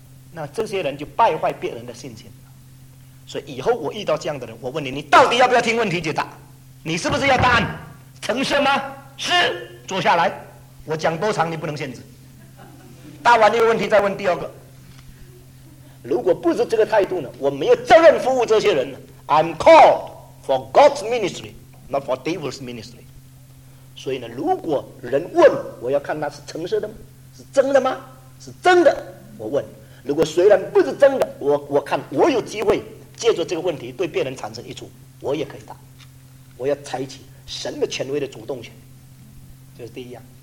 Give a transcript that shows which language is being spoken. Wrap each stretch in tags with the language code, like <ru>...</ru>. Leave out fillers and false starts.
<zh>那这些人就败坏别人的信心。所以以后我遇到这样的人，我问你，你到底要不要听问题解答？你是不是要答案？诚实吗？是，坐下来，我讲多长你不能限制，答完一个问题再问第二个。如果不是这个态度呢，我没有责任服务这些人。</zh> <en>I'm called for God's ministry, not for devil's ministry。</en> <zh>所以呢，如果人问，我要看他是诚实的吗？是真的吗？是真的我问，如果虽然不是真的，我看我有机会借助这个问题对别人产生益处，我也可以答。我要采取神的权威的主动权，就是第一样。</zh>